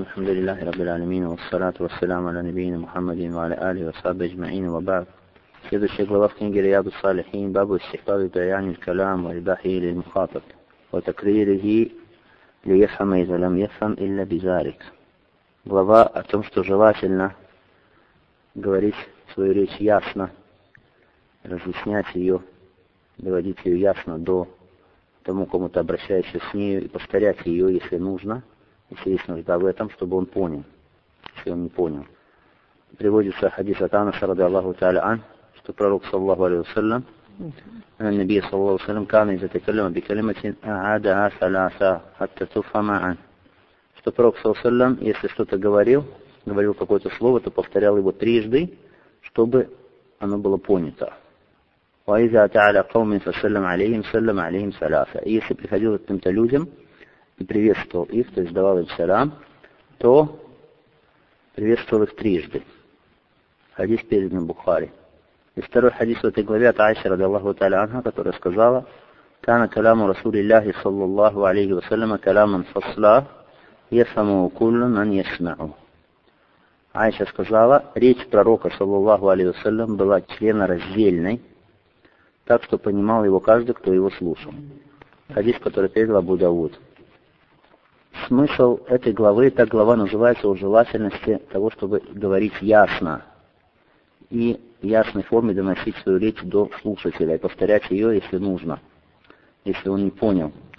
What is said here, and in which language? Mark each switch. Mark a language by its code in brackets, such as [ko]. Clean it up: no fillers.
[ar] الحمد لله رب العالمين، والصلاة والسلام على نبينا محمد وعلى آله وصحبه أجمعين، وبعد. كذا الشيخ وفق رياض الصالحين، باب استحباب بيان الكلام والباحي للمخاطب وتكريره ليفهم إذا لم يفهم إلا بذلك. وضاء تمشط جواسلنا [ru] говорить свою речь ясно, разъяснять ее, доводить ее ясно до тому, кому ты обращаешься с нею, и повторять ее, если нужно, если есть нужда в этом, чтобы он понял, если он не понял. Приводится хадис от Анаса, ради Аллаху та'аля ан, что пророк, саллаху алейхи ва саллям, ан-набий, саллаху алейхи ва саллям, кана иза такаллама би калиматин аадаха саляса хатта туфхама ан. Что пророк, саллаху алейхи ва саллям, если что-то говорил, говорил какое-то слово, то повторял его трижды, чтобы оно было понято. [ar] وإذا تعالى قوم فسلم عليهم سلم عليهم ثلاثة. [ru] Если приходил к тем-то людям и приветствовал их, то есть давал им салам, то приветствовал их трижды. Хадис передан в Бухари. И второй хадис в этой главе от Аиши [ar] رضي الله تعالى عنها, [ru] которая сказала: [ar] كان كلام رسول الله صلى الله عليه وسلم كلاما فصلا يفهم كل من يسمعه. [ru] Аиша сказала: речь пророка [ar] صلى الله عليه وسلم [ru] была членораздельной, так что понимал его каждый, кто его слушал. Хадис, который передал Абу Дауд. Смысл этой главы, эта глава называется о желательности того, чтобы говорить ясно и в ясной форме доносить свою речь до слушателя и повторять ее, если нужно, если он не понял.